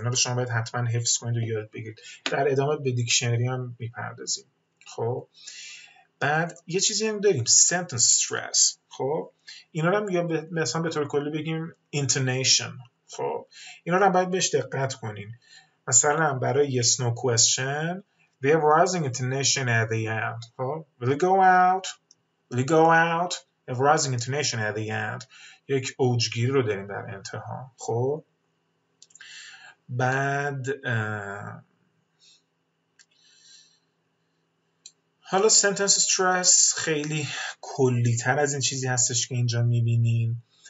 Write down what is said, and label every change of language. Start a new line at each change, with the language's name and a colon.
Persian: اینا رو شما باید حتما حفظ کنید و یاد بگیرید. در ادامه به دیکشنری هم میپردازیم. خب بعد یه چیزی هم داریم سنتنس استرس. خب اینا رو هم یا مثلا به طور کلی بگیم اینتونیشن. خب اینا رو هم باید بهش دقت کنین. مثلا برای
English: yes no question we have rising intonation at the end. خب will you go out, will you go out, we have rising intonation at the end.
Persian: یک اوجگیری رو داریم در انتها. خب بعد حالا sentence stress خیلی کلی تر از این چیزی هستش که اینجا میبینیم.